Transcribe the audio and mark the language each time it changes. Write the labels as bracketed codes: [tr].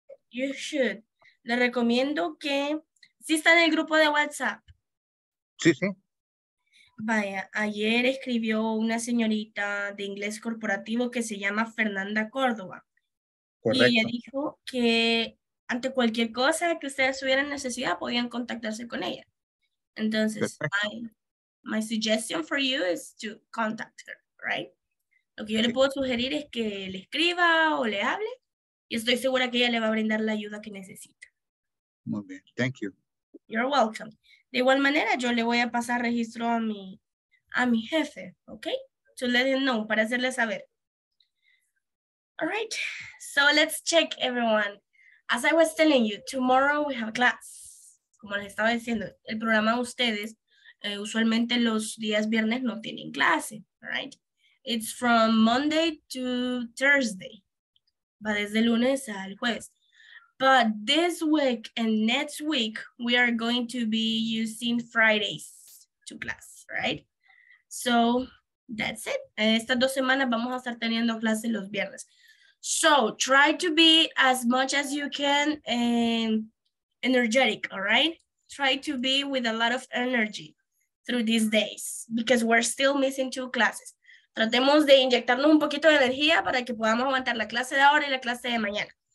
[en] You should. [es] Le recomiendo que... ¿Sí está en el grupo de WhatsApp? Sí, sí. Vaya, ayer escribió una señorita de inglés corporativo que se llama Fernanda Córdoba. Correcto. Y ella dijo que ante cualquier cosa que ustedes tuvieran necesidad, podían contactarse con ella. [en] Entonces, my suggestion for you is to contact her, right? [es] Lo que yo le puedo sugerir es que le escriba o le hable y estoy segura que ella le va a brindar la ayuda que necesita. Muy bien, [en] thank you. You're welcome. [es] De igual manera, yo le voy a pasar registro a mi jefe, okay? [en] To let him know, [es] para hacerle saber. [en] All right, so let's check everyone. As I was telling you, tomorrow we have class. [es] Como les estaba diciendo, el programa de ustedes usualmente los días viernes no tienen clase, right? [en] It's from Monday to Thursday. [es] Va desde lunes al jueves. [en] But this week and next week, we are going to be using Fridays to class, right? So that's it. [es] Estas dos semanas vamos a estar teniendo clase los viernes. [en] So try to be as much as you can and energetic, all right? Try to be with a lot of energy through these days, because we're still missing two classes. [es] Tratemos de inyectarnos un poquito de energía para que podamos aguantar la clase de ahora y la clase de mañana.